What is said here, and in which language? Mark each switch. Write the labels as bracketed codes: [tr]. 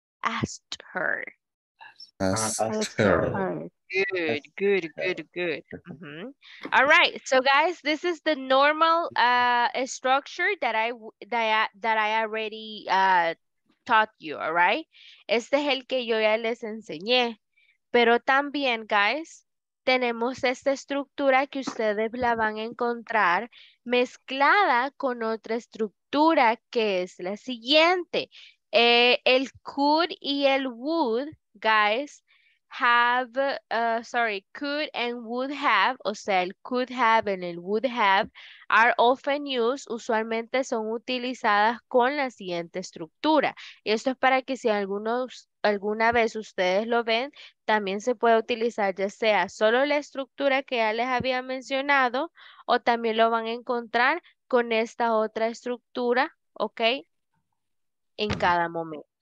[en] Asked her. Asked her. Good. Mm-hmm. All right, so guys, this is the normal structure that I already taught you, all right? [es] Este es el que yo ya les enseñé. Pero también, guys, tenemos esta estructura que ustedes la van a encontrar mezclada con otra estructura que es la siguiente. [en] El could y el would, guys, could and would have, o sea, el could have and el would have, are often used, [es] usualmente son utilizadas con la siguiente estructura. Y esto es para que si alguna vez ustedes lo ven, también se puede utilizar ya sea solo la estructura que ya les había mencionado, o también lo van a encontrar con esta otra estructura, ¿ok? En cada momento.